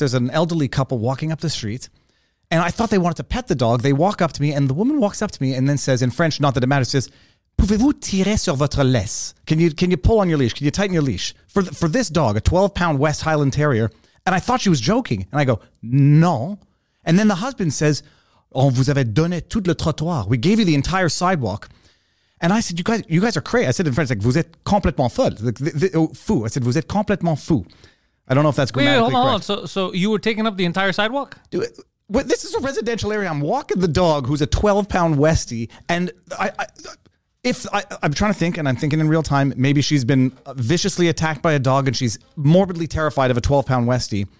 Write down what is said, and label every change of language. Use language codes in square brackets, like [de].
[en] There's an elderly couple walking up the street. And I thought they wanted to pet the dog. They walk up to me, and the woman walks up to me and then says, in French, not that it matters, says, [fr] "Pouvez-vous tirer sur votre laisse? [en] Can you pull on your leash? Can you tighten your leash?" For this dog, a 12-pound West Highland Terrier. And I thought she was joking. And I go, "No." And then the husband says, [fr] "On vous avait donné tout le trottoir. [en] We gave you the entire sidewalk." And I said, you guys are crazy. I said in French, like, [fr] vous êtes complètement folle. Fou. [en] I said, [fr] vous êtes complètement fou. [en] I don't know if that's grammatically correct. Hold on. So you were taking up the entire sidewalk? This is a residential area. I'm walking the dog who's a 12-pound Westie. And I'm trying to think, and I'm thinking in real time, maybe she's been viciously attacked by a dog and she's morbidly terrified of a 12-pound Westie.